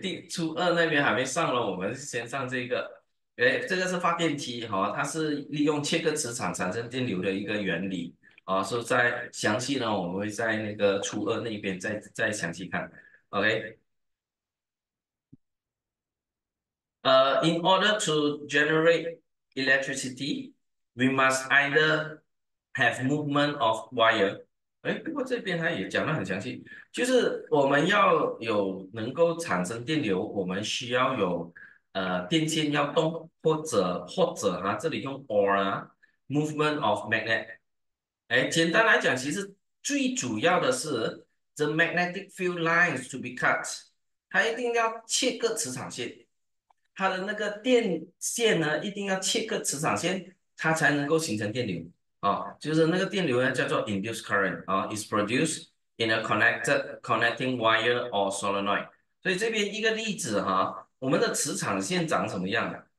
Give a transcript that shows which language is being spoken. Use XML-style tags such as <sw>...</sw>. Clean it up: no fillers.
<zh>初二那边还没上了，我们先上这个。哎，这个是发电机哈，它是利用切割磁场产生电流的一个原理啊。所以再详细呢，我们会在那个初二那边再详细看。 OK。</zh> <en>In order to generate electricity, we must either have movement of wire.</en> <zh>哎，不过这边他也讲得很详细，就是我们要有能够产生电流，我们需要有电线要动，或者啊，这里用 or 啊，</zh> <en>movement of magnet.</en> <zh>哎，简单来讲，其实最主要的是</zh> <en>the magnetic field lines to be cut.</en> <zh>它一定要切割磁场线。它的那个电线呢，一定要切割磁场线，它才能够形成电流啊。就是那个电流呢，叫做</zh> <en>induced current 啊，is produced in a connecting wire or solenoid。</en> <zh>所以这边一个例子哈，我们的磁场线长什么样的？</zh>